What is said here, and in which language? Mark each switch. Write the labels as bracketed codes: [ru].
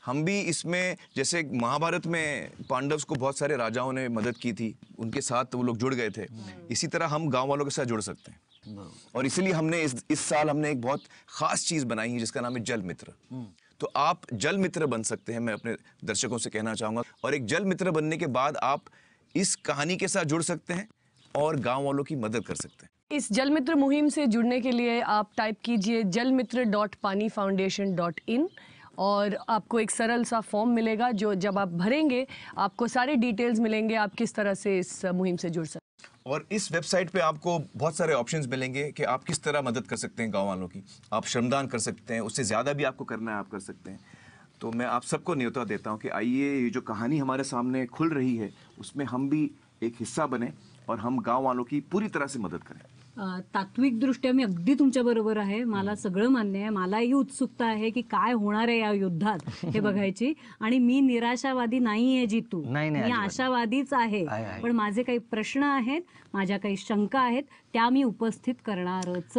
[hi] हम भी इसमें, जैसे महाभारत में पांडव्स को बहुत सारे राजाओं ने मदद की थी, उनके साथ वो लोग जुड़ गए थे, इसी तरह हम गाँव वालों के साथ जुड़ सकते हैं. और इसीलिए हमने इस साल हमने एक बहुत खास चीज बनाई है जिसका नाम है जल मित्र. तो आप जल मित्र बन सकते हैं, मैं अपने दर्शकों से कहना चाहूंगा। और एक जल मित्र बनने के बाद आप इस कहानी के साथ जुड़ सकते हैं और गांव वालों की मदद कर सकते हैं। इस जल मित्र मुहिम से जुड़ने के लिए आप टाइप कीजिए jalmitra.paanifoundation.in और आपको एक सरल सा फॉर्म मिलेगा, जो जब आप भरेंगे आपको सारे डिटेल्स मिलेंगे आप किस तरह से इस मुहिम से जुड़ सकते हैं। और इस वेबसाइट पे आपको बहुत सारे ऑप्शंस मिलेंगे कि आप किस तरह मदद कर सकते हैं गांव वालों की। आप श्रमदान कर सकते हैं, उससे ज़्यादा भी आपको करना है आप कर सकते हैं। तो मैं आप सबको न्योता देता हूँ कि आइए, ये जो कहानी हमारे सामने खुल रही है उसमें हम भी एक हिस्सा बने और हम गांव वालों की पूरी तरह से मदद करें। [mr] तात्विक दृष्ट्या मी अगदी तुमच्या बरोबर आहे, मला सगळं मान्य आहे, मलाही उत्सुकता आहे की काय होणार आहे या युद्धात हे बघायची। आणि मी निराशावादी नाही आहे जितू, मी आशावादीच आहे, पण माझे काही प्रश्न आहेत, माझ्या काही शंका आहेत, त्या मी उपस्थित करणारच।